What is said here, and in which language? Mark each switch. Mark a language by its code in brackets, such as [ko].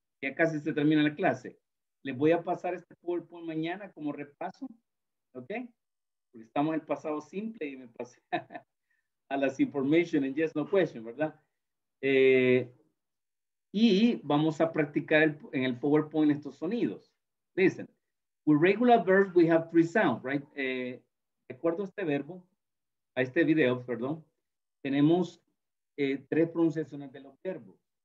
[es] Ya casi se termina la clase. Les voy a pasar este PowerPoint mañana como repaso, ¿ok? Porque estamos en el pasado simple y me pasé a las [en] information and yes, no question, [es] ¿verdad? Y vamos a practicar en el PowerPoint estos sonidos. [en] Listen. With regular verbs, we have three sounds, right? [es] De acuerdo a este verbo, a este video, perdón, tenemos tres pronunciaciones de los verbos.